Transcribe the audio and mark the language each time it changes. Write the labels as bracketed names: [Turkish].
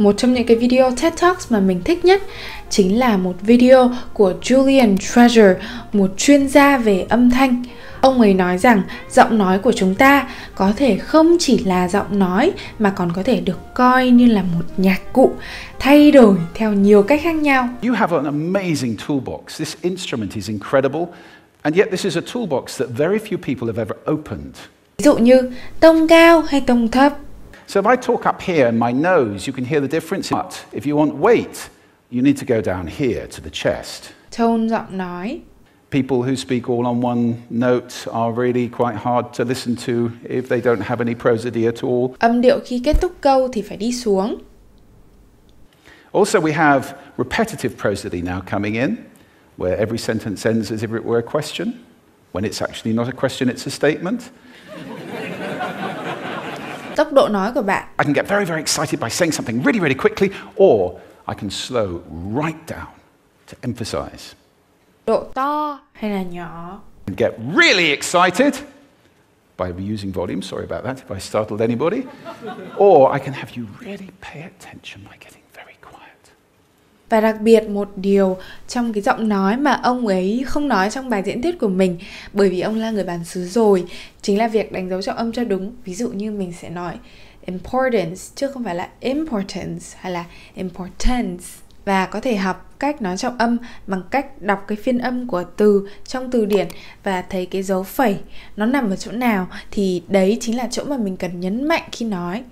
[Vietnamese] Một trong những cái video TED Talks mà mình thích nhất chính là một video của Julian Treasure, một chuyên gia về âm thanh. Ông ấy nói rằng giọng nói của chúng ta có thể không chỉ là giọng nói mà còn có thể được coi như là một nhạc cụ thay đổi theo nhiều cách khác nhau. [English] You have an amazing toolbox. This instrument is incredible. And yet this is a toolbox that very few people have ever opened. [Vietnamese] Ví dụ như tông cao hay tông thấp. [English] So if I talk up here in my nose, you can hear the difference. But if you want weight, you need to go down here to the chest. [Vietnamese] Tone giọng nói. [English] People who speak all on one note are really quite hard to listen to if they don't have any prosody at all. [Vietnamese] Âm điệu khi kết thúc câu thì phải đi xuống. [English] Also, we have repetitive prosody now coming in, where every sentence ends as if it were a question, when it's actually not a question, it's a statement. [Vietnamese] Tốc độ nói của bạn. [English] I can get very, very excited by saying something really, really quickly, or I can slow right down to emphasize. [Vietnamese] Độ to hay là nhỏ. [English] And get really excited by using volume. Sorry about that if I startled anybody. Or I can have you really pay attention by getting very quiet. [Vietnamese] Và đặc biệt một điều trong cái giọng nói mà ông ấy không nói trong bài diễn thuyết của mình, bởi vì ông là người bản xứ rồi, chính là việc đánh dấu trọng âm cho đúng. Ví dụ như mình sẽ nói importance chứ không phải là importance hay là importance. Và có thể học cách nói trọng âm bằng cách đọc cái phiên âm của từ trong từ điển và thấy cái dấu phẩy nó nằm ở chỗ nào thì đấy chính là chỗ mà mình cần nhấn mạnh khi nói.